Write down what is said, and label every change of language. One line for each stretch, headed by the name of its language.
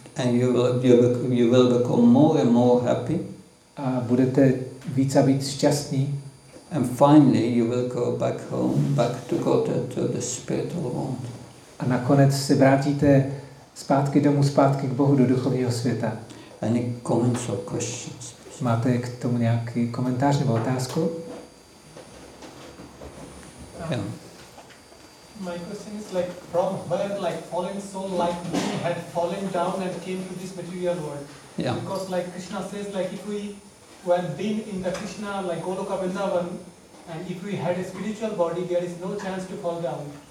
English: And you will become more and more happy.
Czech: A budete víc a víc šťastní.
English: And finally you will go back home, back to God, to the spiritual world.
Czech: A nakonec se vrátíte zpátky domů, zpátky k Bohu, do duchovního světa.
English: Any comments or questions?
Czech: Máte k tomu nějaký komentář nebo otázku?
English: Yeah. My question is like from where like fallen soul like me had fallen down and came to this material world. Yeah. Because like Krishna says like if we were been in the Krishna like Goloka Vrindavan and if we had a spiritual body there is no chance to fall down.